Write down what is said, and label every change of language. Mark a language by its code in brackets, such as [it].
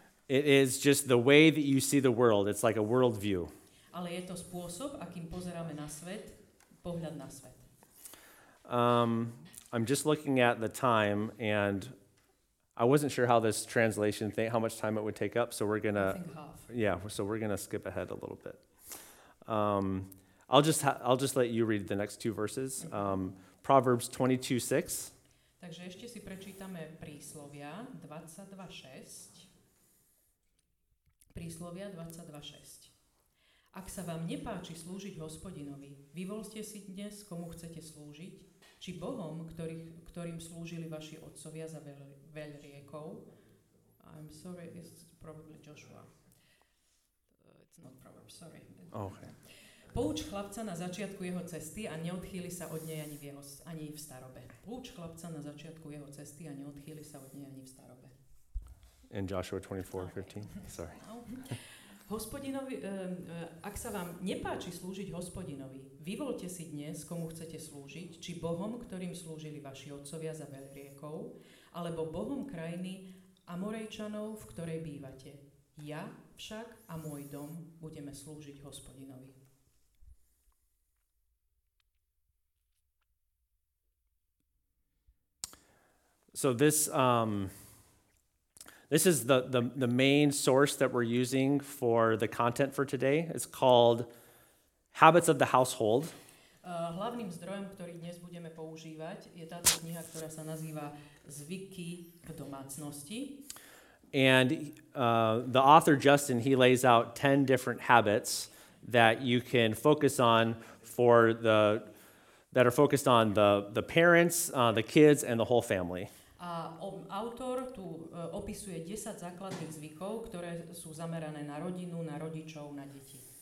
[en] It is just the way that you see the world. It's like a world view. [sk] Ale je to spôsob, akým pozeráme na svet, pohľad na svet. [en] I'm just looking at the time and I wasn't sure how this translation thing, how much time it would take up, so we're going to skip ahead a little bit. I'll just let you read the next two verses. Proverbs 22:6. [sk] Takže ešte si prečítame príslovia 22:6. Príslovia 22:6. Ak sa vám nepáči slúžiť Hospodinovi, vyvolte si dnes, komu chcete slúžiť. Či Bohom, ktorým slúžili vaši otcovia za veľ riekou. [en] I'm sorry, it's probably Joshua. It's not Proverbs, sorry. Okay. [sk] Pouč chlapca na začiatku jeho cesty a neodchýli sa od nej ani v starobe. Pouč chlapca na začiatku jeho cesty a neodchýli sa od nej ani v starobe. [en] In Joshua 24:15. Sorry. [sk] Hospodinovi, ak sa vám nepáči slúžiť Hospodinovi, vyvolte si dnes, komu chcete slúžiť, či Bohom, ktorým slúžili vaši otcovia za veľ riekou, alebo Bohom krajiny Amorejčanov, v ktorej bývate. Ja však a môj dom budeme slúžiť Hospodinovi. [en] So this... This is the main source that we're using for the content for today. It's called Habits of the Household. [sk] Hlavným zdrojom, ktorý dnes budeme používať, je táto kniha, ktorá sa nazýva Zvyky v domácnosti. [en] And the author Justin, he lays out 10 different habits that you can focus on for that are focused on the parents, the kids and the whole family. [sk] A autor tu opisuje 10 základných zvykov, ktoré sú zamerané na rodinu, na rodičov, na deti.